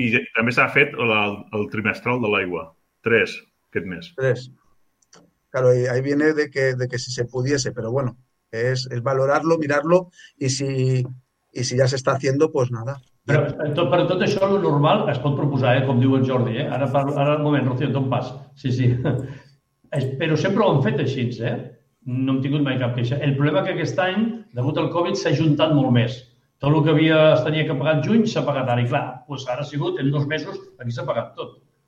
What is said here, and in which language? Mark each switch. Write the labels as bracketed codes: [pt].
[ca] I també s'ha fet el trimestral de l'aigua, 3, aquest mes. 3. [es] Claro, ahí viene de que si se pudiese, pero bueno, es valorarlo, mirarlo, y si ya se está haciendo, pues nada. [ca] Per tot això, el normal es pot proposar, com diu el Jordi. Eh? Ara, un moment, Rocío, d'on pas? Sí, sí. Però sempre ho han fet així, eh? No hem tingut mai cap queixa. El problema és que aquest any, degut al Covid, s'ha ajuntat molt més. Tot el que havia tenia que pagar en juny s'ha pagat ara. I clar, doncs ara ha sigut, en 2 mesos, aquí s'ha pagat tot.